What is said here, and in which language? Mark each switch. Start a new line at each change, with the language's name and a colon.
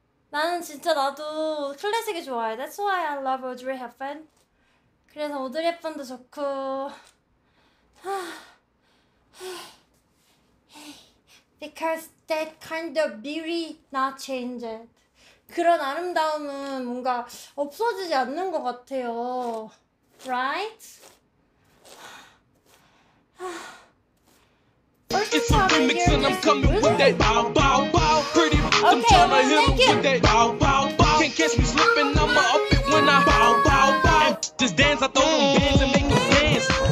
Korean: 나는 진짜 나도 클래식이 좋아해.
English: That's why I love Audrey Hepburn.
Korean: 그래서 오드리 헵번도 좋고.
English: Because that kind of beauty not changed.
Korean: 그런 아름다움은 뭔가 없어지지 않는 것 같아요.
English: Right? It's a remix and I'm coming with that bow, bow, bow. Pretty okay, I'm trying to hit him with that bow, bow, bow. Can't catch me slipping, I'ma up it when I bow, bow, bow. And just dance, I throw them bands and make them dance.